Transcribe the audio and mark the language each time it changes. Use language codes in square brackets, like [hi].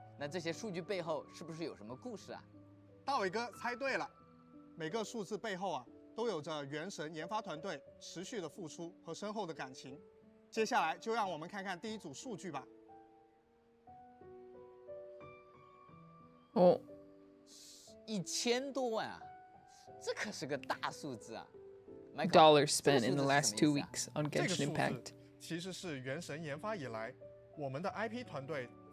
[zh] 那这些数据背后是不是有什么故事啊？大伟哥猜对了，每个数字背后啊都有着原神研发团队持续的付出和深厚的感情。接下来就让我们看看第一组数据吧。哦，1000多万啊，这可是个大数字啊！Dollar [en] spent in the last 2 weeks on Genshin Impact. [zh] 其实是原神研发以来我们的 IP 团队。